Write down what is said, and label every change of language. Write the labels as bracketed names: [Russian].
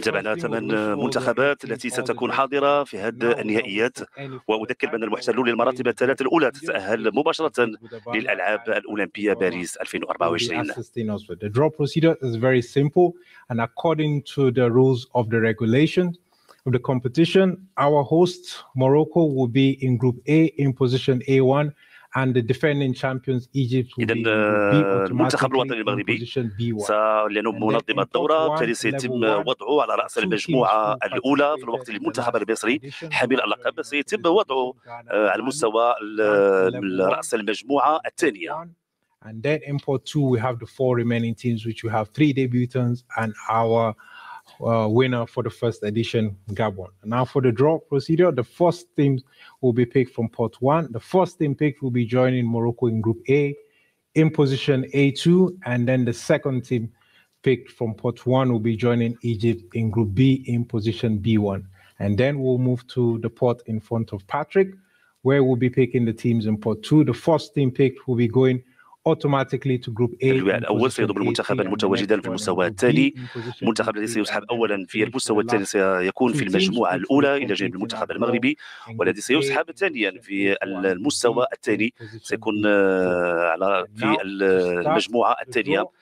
[Arabic] تابعنا ثمان منتخبات التي ستكون حاضرة في هذه النهائيات، وأذكر بأن المحتلون للمراتب الثلاث الأولى تتأهل مباشرة للألعاب الأولمبية باريس 2024. [English] The draw procedure is very simple, and according to the rules of the regulation of the competition, our host Morocco will be in Group A in position A1. And the defending champions Egypt will [Arabic] إذن [English] be [Arabic] المنتخب الوطني المغربي لأنه منظم الدورة بالتالي سيتم وضعه على رأس المجموعة الأولى في الوقت المنتخب المصري حامل اللقب سيتم وضعه على مستوى رأس المجموعة الثانية. [English] And then in pot two we have the four remaining teams which we have three debutants and our winner for the first edition Gabon. Now for the draw procedure, the first team will be picked from pot one. The first team picked will be joining Morocco in group A in position A2, and then the second team picked from pot one will be joining Egypt in group B in position B1. And then we'll move to the pot in front of Patrick, where we'll be picking the teams in pot two. The first team picked will be going automatically to group A. [Arabic] الأول سيضم المنتخب المتواجد في المستوى التالي. المنتخب الذي سيسحب أولا في المستوى التالي سيكون في المجموعة الأولى إلى جانب المنتخب المغربي، والذي سيسحب ثانيا في المستوى الثاني سيكون على في المجموعة الثانية.